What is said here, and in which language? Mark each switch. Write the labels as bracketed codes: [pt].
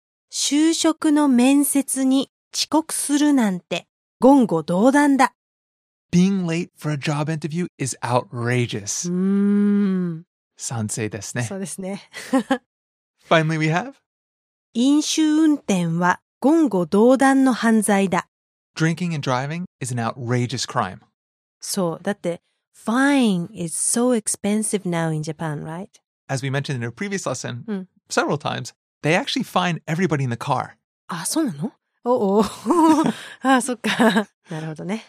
[ja] 就職の面接に遅刻するなんて言語道断だ。 [en] Being late for a job interview is outrageous. [ja] 賛成ですね。そうですね。 [en] Finally we have [ja] 飲酒運転は言語道断の犯罪だ。 [en] Drinking and driving is an outrageous crime. [ja] そう、だって [en] fine is so expensive now in Japan, right? As we mentioned in a previous lesson, several times, they actually fine everybody in the car. [ja] あ、そうなの？Oh, ah, そっか。なるほどね。